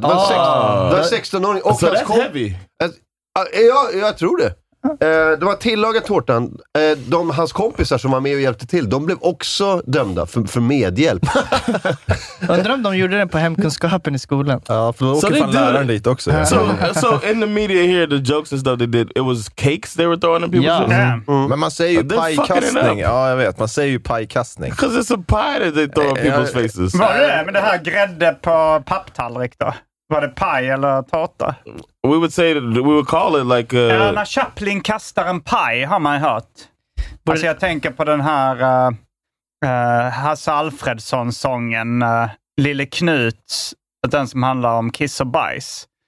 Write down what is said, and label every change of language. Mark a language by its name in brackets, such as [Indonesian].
[Swedish] Det var 16-åring. [English] So that's heavy. [Swedish] Jag tror det. De har tillagat tårtan. Hans kompisar som var med och hjälpte till, de blev också dömda för medhjälp. Undrar om de gjorde det på hemkunskapen i skolan. Ja, för då åker fan läraren dit också. [English] So in the media here, the jokes and stuff they did, it was cakes they were throwing in people's face. [Swedish] Mm. Men man säger ju pajkastning. Ja, jag vet, man säger ju pajkastning. [English] Because it's a pie that they throw in people's faces. [Swedish] Men det här grädde på papptallrik då, var det paj eller tårta? [English] We would call it like [Swedish] när Chaplin kastar en paj, har man hört. Alltså jag tänker på den här Hasse Alfredsons sången Lille Knut, den som handlar om kiss och bajs.